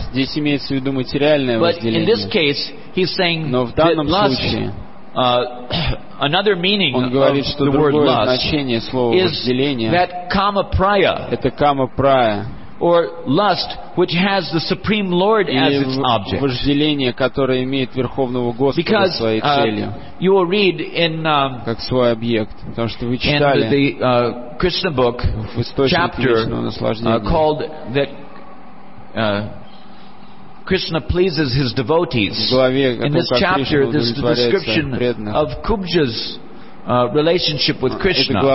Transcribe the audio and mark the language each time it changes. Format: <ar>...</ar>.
<en>But in this case he's saying that lust, another meaning of the word lust is that kama praya, or lust which has the Supreme Lord as its object.</en> <ru>Вожделение, которое имеет Верховного Господа своей целью.</ru> <en>Because you will read in</en> <ru>как свой объект, потому что вы читали</ru> <en>in the Krishna book chapter called that Krishna pleases his devotees. In this chapter, there's the description of Kubja's relationship with Krishna.</en>